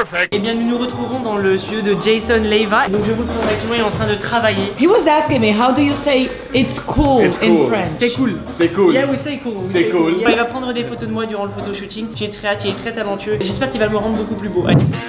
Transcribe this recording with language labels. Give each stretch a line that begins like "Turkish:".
French: Et bien nous nous retrouvons dans le studio de Jason Leiva. Donc je vous trouve actuellement il est en train de travailler.
English: He was asking me how do you say it's cool, it's cool in French.
French: C'est cool. C'est cool.
English: Yeah we say cool.
French: C'est cool. Bah, il va prendre des photos de moi durant le photoshooting. J'ai très hâte, il est très talentueux. J'espère qu'il va me rendre beaucoup plus beau. Allez.